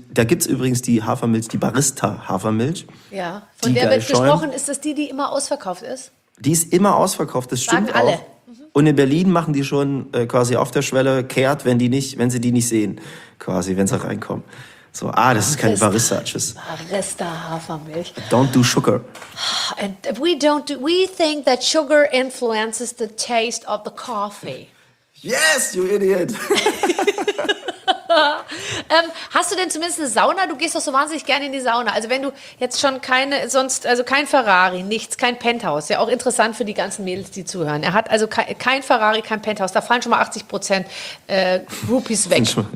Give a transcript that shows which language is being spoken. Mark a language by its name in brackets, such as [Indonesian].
[German] Da gibt's übrigens die Hafermilch, die Barista-Hafermilch. Ja, von der wird gesprochen, ist das die immer ausverkauft ist? Die ist immer ausverkauft, das stimmt auch. Sagen alle. Und in Berlin machen die schon quasi auf der Schwelle kehrt, wenn sie die nicht sehen, quasi, wenn sie reinkommen. So, das ist kein Barista. Tschüss. Barista Hafermilch. [English] Don't do sugar. And we think that sugar influences the taste of the coffee. Yes, you idiot. [German] Hast du denn zumindest eine Sauna? Du gehst doch so wahnsinnig gerne in die Sauna. Also wenn du jetzt schon kein Ferrari, nichts, kein Penthouse. Ja, auch interessant für die ganzen Mädels, die zuhören. Er hat also kein Ferrari, kein Penthouse. Da fallen schon mal 80% Rupees weg.